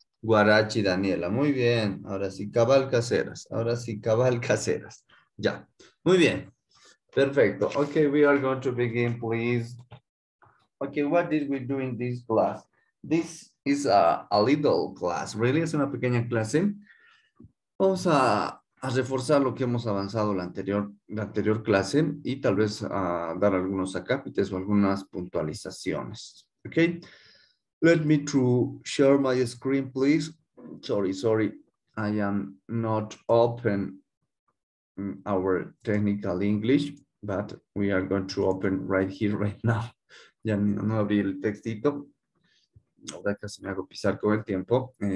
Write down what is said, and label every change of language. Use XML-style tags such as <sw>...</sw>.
<es>Guarachi Daniela. Muy bien. Ahora sí, cabal caseras. Ahora sí, cabal caseras. Ya. Muy bien. Perfecto.</es> <en>Okay, we are going to begin, please. Okay, what did we do in this class? This is a little class, really.</en> <es>Es una pequeña clase. Vamos a reforzar lo que hemos avanzado la anterior clase y tal vez a dar algunos acápites o algunas puntualizaciones.</es> <en>Okay. Let me to share my screen, please. Sorry. I am not open our technical English, but we are going to open right here, right now.</en> <es>Ya no abrí el textito. Ahora casi me hago pisar con el tiempo.</es>